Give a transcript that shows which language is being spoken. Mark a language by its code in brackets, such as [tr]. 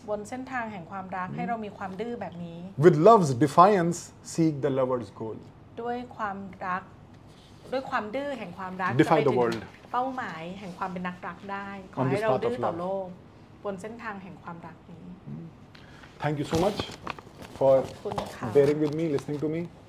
[th] บนเส้นทางแห่งความรักให้เรามีความดื้อแบบนี้ [en] With love's defiance seek the lover's goal [th] ด้วยความรักด้วยความดื้อแห่งความรัก [en] Defy the world [th] เป้าหมายแห่งความเป็นนักรักได้ขอให้เราดื้อต่อโลกบนเส้นทางแห่งความรักนี้ [en] Thank you so much for bearing with me, listening to me.